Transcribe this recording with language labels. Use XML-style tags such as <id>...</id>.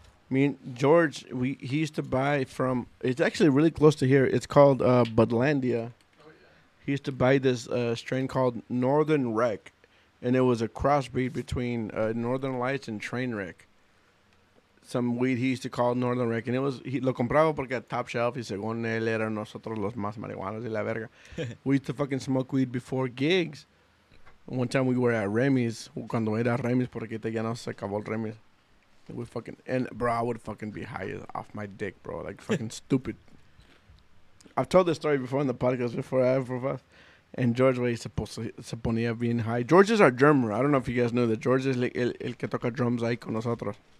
<en>Me and George, he used to buy from, it's actually really close to here. It's called Budlandia. He used to buy this strain called Northern Wreck. And it was a crossbreed between Northern Lights and Trainwreck. Some weed he used to call Northern Wreck. And it was, he</en> <es>lo compraba porque</es> <en>at top shelf.</en> <es>Y según él, era nosotros los más marihuanos de la verga.</es> <en>We used to fucking smoke weed before gigs. One time we were at Remy's.</en> <es>Cuando era Remy's, porque ya no se acabó el Remy's.</es> <en>We fucking, and bro, I would fucking be high off my dick, bro. Like, fucking stupid. I've told this story before in the podcast before I ever was. And George was supposed to be high. George is our drummer. I don't know if you guys know that.</en> <es>George is el que toca drums ahí con nosotros.</es>